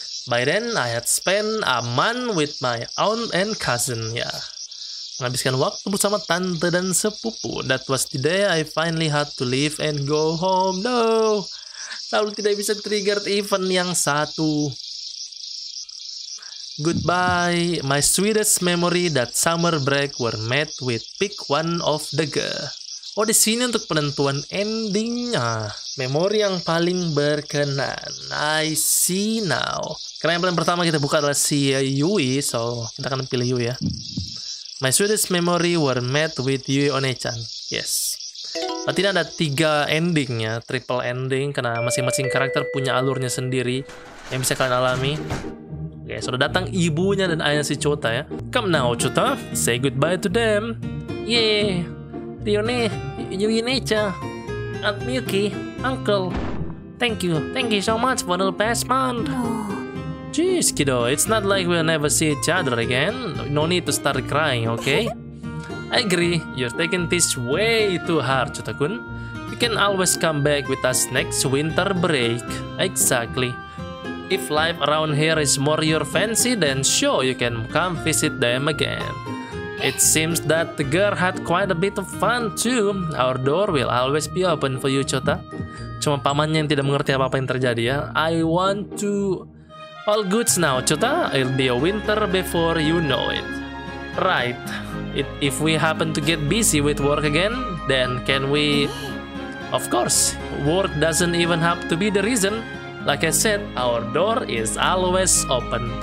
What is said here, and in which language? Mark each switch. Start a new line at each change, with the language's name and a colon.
English: By then, I had spent a month with my aunt and cousin, yeah.
Indonesian: Menghabiskan waktu bersama tante dan sepupu.
English: That was the day I finally had to leave and go home.
Indonesian: No, selalu tidak bisa trigger event yang satu.
English: Goodbye, my sweetest memory that summer break were met with pick one of the girl.
Indonesian: Oh, di sini untuk penentuan endingnya. Memori yang paling berkenan.
English: I see now.
Indonesian: Karena yang paling pertama kita buka adalah si Yui, so kita akan pilih Yui ya.
English: My sweetest memory were met with Yui Onechan. Yes.
Indonesian: Berarti ini ada tiga ending ya, triple ending, karena masing-masing karakter punya alurnya sendiri yang bisa kalian alami. Oke, okay, sudah datang ibunya dan ayahnya si Chota ya.
English: Come now, Chota. Say goodbye to them. Yeah. Ryone, Yuinecha, Aunt Miyuki, Uncle. Thank you so much for the past month. Jeez, kiddo, it's not like we'll never see each other again. No need to start crying, okay? I agree, you're taking this way too hard, Chota-kun. You can always come back with us next winter break. Exactly. If life around here is more your fancy, then sure, you can come visit them again. It seems that the girl had quite a bit of fun too. Our door will always be open for you, Chota.
Indonesian: Cuma pamannya yang tidak mengerti apa-apa yang terjadi ya.
English: I want to... All goods now, Chota. It'll be a winter before you know it. Right. If we happen to get busy with work again, then can we... Of course, work doesn't even have to be the reason. Like I said, our door is always open.